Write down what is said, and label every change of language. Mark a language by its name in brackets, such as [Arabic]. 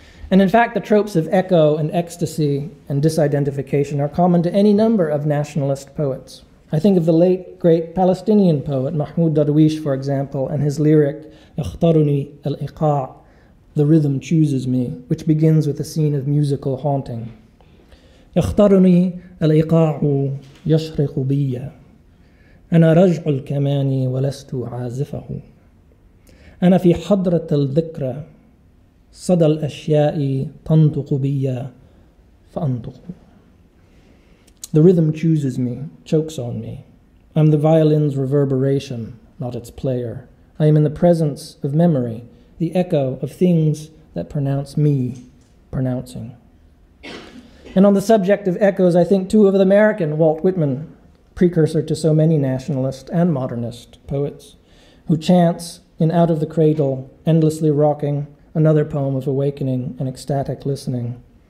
[English] And in fact, the tropes of echo and ecstasy and disidentification are common to any number of nationalist poets. I think of the late, great Palestinian poet Mahmoud Darwish, for example, and his lyric, "Ikhtaruni al-Iqa'," the rhythm chooses me, which begins with a scene of musical haunting. [Arabic] يختارني الإيقاع يشرق بي أنا رجع الكمان ولست عازفه أنا في حضرة الذكرى صدى الأشياء تنطق بي فأنطق. [English] The rhythm chooses me, chokes on me. I'm the violin's reverberation, not its player. I am in the presence of memory, the echo of things that pronounce me pronouncing. And on the subject of echoes, I think too of the American Walt Whitman, precursor to so many nationalist and modernist poets, who chants in Out of the Cradle, Endlessly Rocking, another poem of awakening and ecstatic listening.